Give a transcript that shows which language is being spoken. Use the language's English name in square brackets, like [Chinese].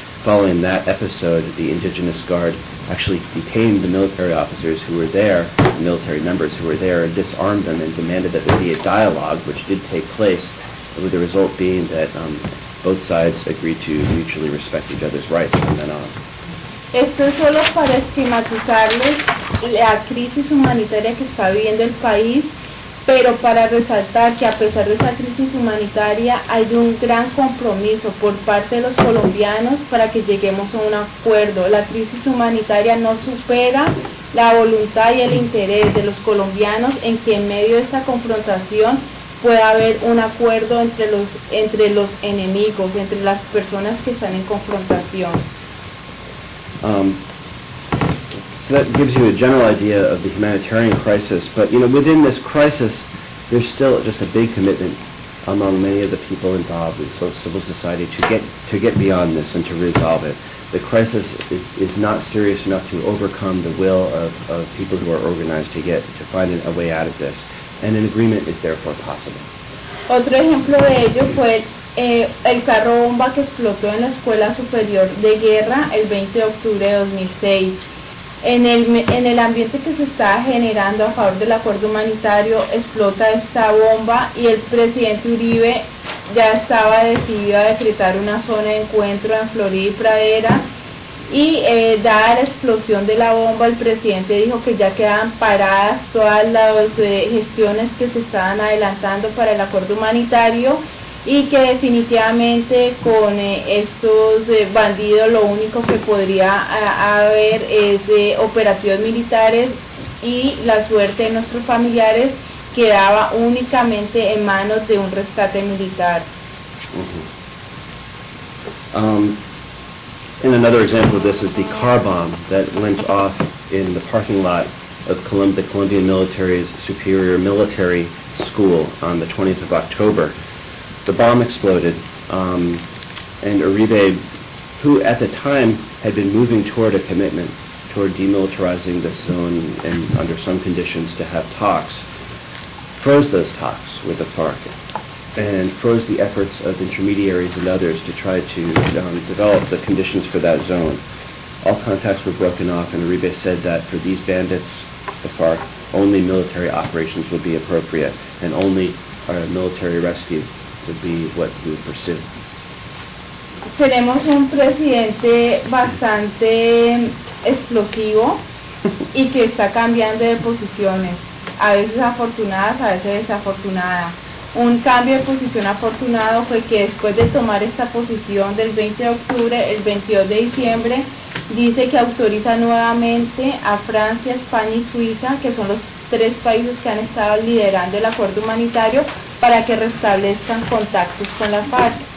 [English] Following that episode, the Indigenous Guard actually detained the military officers who were there, the military members who were there, and disarmed them and demanded that there be a dialogue, which did take place, with the result being that both sides agreed to mutually respect each other's rights from then on. [Spanish] Esto es solo para esquematizarles la crisis humanitaria que está viviendo el país, pero para resaltar que a pesar de esa crisis humanitaria hay un gran compromiso por parte de los colombianos para que lleguemos a un acuerdo. La crisis humanitaria no supera la voluntad y el interés de los colombianos en que en medio de esta confrontación pueda haber un acuerdo entre los enemigos, entre las personas que están en confrontación. [English] So that gives you a general idea of the humanitarian crisis, but you know, within this crisis, there's still just a big commitment among many of the people involved in civil society to get beyond this and to resolve it. The crisis is not serious enough to overcome the will of people who are organized to find a way out of this, and an agreement is therefore possible. [Spanish] Otro ejemplo de ello fue el carro bomba que explotó en la Escuela Superior de Guerra el 20 de octubre de 2006. En el ambiente que se está generando a favor del acuerdo humanitario, explota esta bomba y el presidente Uribe ya estaba decidido a decretar una zona de encuentro en Florida y Pradera. Y dada la explosión de la bomba, el presidente dijo que ya quedan paradas todas las gestiones que se estaban adelantando para el acuerdo humanitario y que definitivamente con estos bandidos lo único que podría haber es operativos militares y la suerte de nuestros familiares quedaba únicamente en manos de un rescate militar. Mm-hmm. [English] And another example of this is the car bomb that went off in the parking lot of the Colombian Military's Superior Military School on the 20th of October. The bomb exploded, and Uribe, who at the time had been moving toward a commitment, toward demilitarizing the zone and under some conditions to have talks, froze those talks with the FARC and froze the efforts of intermediaries and others to try to develop the conditions for that zone. All contacts were broken off, and Uribe said that for these bandits, the FARC, only military operations would be appropriate, and only military rescue would be what we would pursue. [Spanish] Tenemos un presidente bastante explosivo y que está cambiando de posiciones, a veces afortunadas, a veces desafortunadas. Un cambio de posición afortunado fue que después de tomar esta posición del 20 de octubre, el 22 de diciembre, dice que autoriza nuevamente a Francia, España y Suiza, que son los tres países que han estado liderando el acuerdo humanitario, para que restablezcan contactos con la FARC.